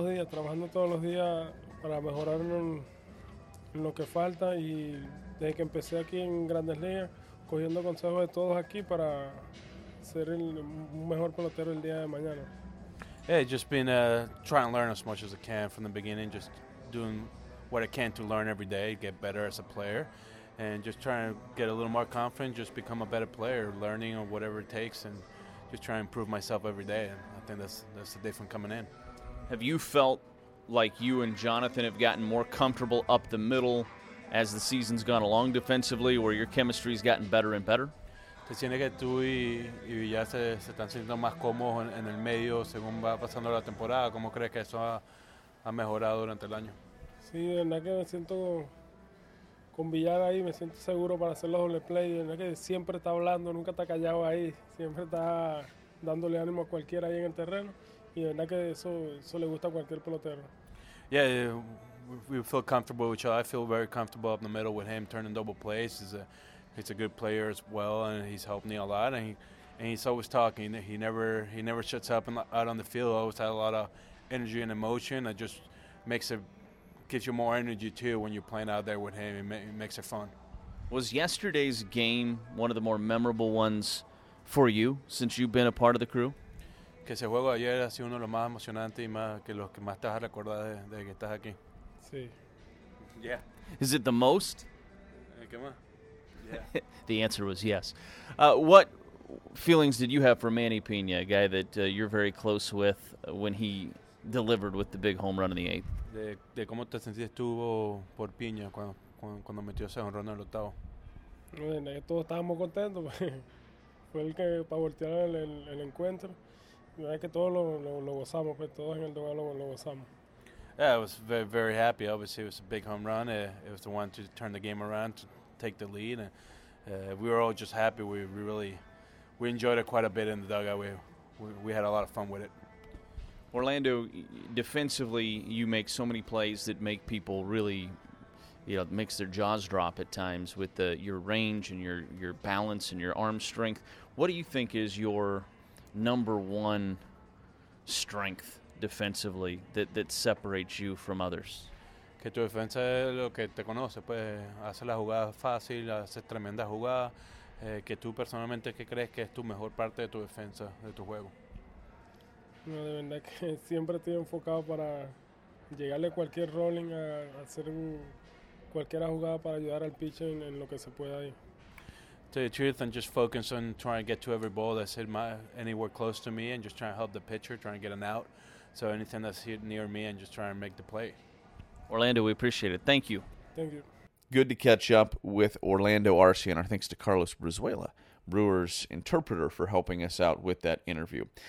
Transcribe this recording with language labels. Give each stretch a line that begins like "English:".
Spanish: Trabajando todos los días para mejorar en lo que falta. Y desde que empecé aquí en Grandes Ligas, cogiendo consejos de todos aquí para ser el mejor pelotero el día de mañana.
English: Hey, just been trying to learn as much as I can from the beginning, just doing what I can to learn every day, get better as a player, and just trying to get a little more confident, just become a better player, learning or whatever it takes, and just try to improve myself every day. And I think that's the difference coming in. Have you felt like you and Jonathan have gotten more comfortable up the middle as the season's gone along defensively, where your chemistry's gotten better and better?
Spanish: ¿Te sientes que tú y ya se están sintiendo más cómodos en el medio según va pasando la temporada? ¿Cómo crees que eso ha mejorado durante el año? Sí, de verdad que me siento con Villar ahí, me siento seguro para hacer los doble play. De verdad que siempre está hablando, nunca está callado ahí. Siempre está dándole ánimo a cualquiera ahí en el terreno. Y de verdad que eso le gusta a cualquier pelotero.
English: Yeah, we feel comfortable with each other. I feel very comfortable up in the middle with him turning double plays. He's a good player as well, and he's helped me a lot. And he's always talking. He never shuts up out on the field. Always had a lot of energy and emotion. It just gives you more energy too when you're playing out there with him. It makes it fun. Was yesterday's game one of the more memorable ones for you since you've been a part of the crew?
Spanish: Que ese juego ayer ha sido uno de los más emocionantes y más que los que más te vas a recordar de que estás aquí. Sí.
English: Yeah. Is it the most?
Spanish: ¿Qué más?
English: Yeah. The answer was yes. What feelings did you have for Manny Pena, a guy that you're very close with, when he delivered with the big home run in the eighth?
Spanish: De cómo te sentiste tú por Pena cuando metió ese home run en el octavo. Bueno, todos estábamos contentos. Fue el que para voltear el encuentro. Es que todos lo gozamos, pues todos en el lugar lo gozamos.
English: Yeah, I was very, very happy. Obviously, it was a big home run. It was the one to turn the game around, to take the lead. And we were all just happy. We enjoyed it quite a bit in the dugout. We had a lot of fun with it. Orlando, defensively, you make so many plays that make people really, makes their jaws drop at times with your range and your balance and your arm strength. What do you think is your number one strength defensively that separates you from others?
Spanish: Que tu defensa es lo que te conoce, pues hace la jugada fácil, hace tremenda jugada. Que tú personalmente, ¿qué crees que es tu mejor parte de tu defensa, de tu juego? No, de verdad que siempre estoy enfocado para llegarle cualquier rolling, a hacer cualquier jugada para ayudar al pitcher en lo que se pueda ahí.
English: To the truth, and just focus on trying to get to every ball that's hit anywhere close to me, and just trying to help the pitcher, trying to get an out. So anything that's hit near me, and just trying to make the play. Orlando, we appreciate it. Thank you. Thank you. Good to catch up with Orlando Arcia, and our thanks to Carlos Brizuela, Brewers interpreter, for helping us out with that interview.